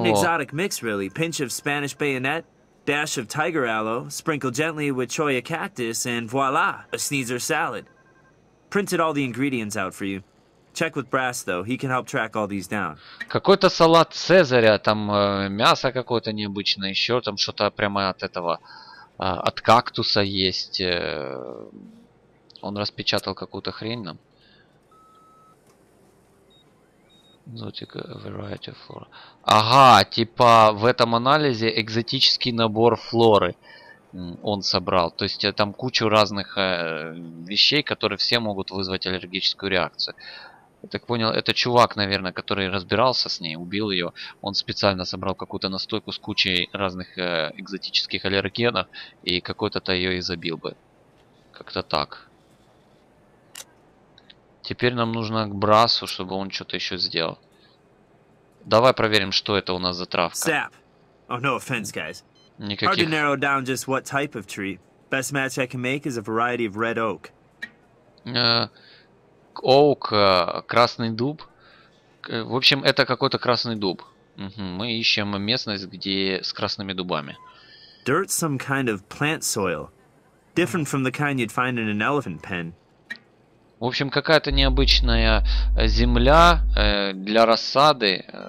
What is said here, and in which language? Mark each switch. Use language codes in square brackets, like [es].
[en] Quite an exotic mix, really. Pinch of Spanish bayonet, dash of tiger aloe, sprinkled gently with choya cactus, and voila, a sneezer salad. Printed all the ingredients out for you. Check with Brass, though. He can help track all these down. [ru] Какой-то салат Цезаря, там мясо какое-то необычное, еще там что-то прямо от этого, от кактуса есть. Он распечатал какую-то хрень нам. [en] Exotic variety of flora. [ru] Ага, типа в этом анализе экзотический набор флоры он собрал. То есть там кучу разных вещей, которые все могут вызвать аллергическую реакцию. Я так понял, это чувак, наверное, который разбирался с ней, убил ее. Он специально собрал какую-то настойку с кучей разных экзотических аллергенов и какой-то-то ее и забил бы. Как-то так. Теперь нам нужно к Брасу, чтобы он что-то еще сделал. Давай проверим, что это у нас за травка. [en] Sap. Oh, no offense, guys. [ru] Никаких. [en] Hard to narrow down just what type of tree. Best match I can make is a variety of red oak. [ru] Оук, красный дуб. В общем, это какой-то красный дуб. Угу. Мы ищем местность, где с красными дубами. [en] Dirt some kind of plant soil. Different from the kind you'd find in an elephant pen. [ru] В общем, какая-то необычная земля для рассады.